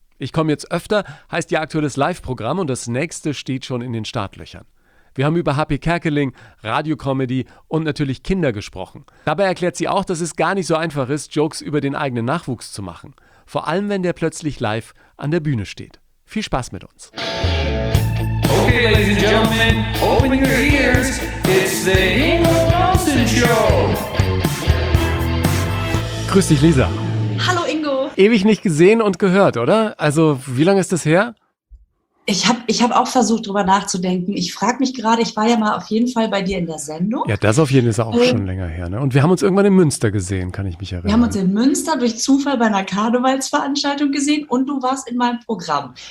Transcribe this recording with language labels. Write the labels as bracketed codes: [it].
[de] Ich komme jetzt öfter, heißt ihr aktuelles Live-Programm und das nächste steht schon in den Startlöchern. Wir haben über Happy Kerkeling, Radio-Comedy und natürlich Kinder gesprochen. Dabei erklärt sie auch, dass es gar nicht so einfach ist, Jokes über den eigenen Nachwuchs zu machen. Vor allem, wenn der plötzlich live an der Bühne steht. Viel Spaß mit uns. [en] Okay, ladies and gentlemen, open your ears, it's the Ingo Nomsen Show. [de] Grüß dich, Lisa. Hallo, Ingo. Ewig nicht gesehen und gehört, oder? Also, wie lange ist das her? Ich hab auch versucht, drüber nachzudenken. Ich frage mich gerade, ich war ja mal auf jeden Fall bei dir in der Sendung. Ja, das auf jeden Fall ist auch schon länger her, ne? Und wir haben uns irgendwann in Münster gesehen, kann ich mich erinnern. Wir haben uns in Münster durch Zufall bei einer Karnevalsveranstaltung gesehen und du warst in meinem Programm.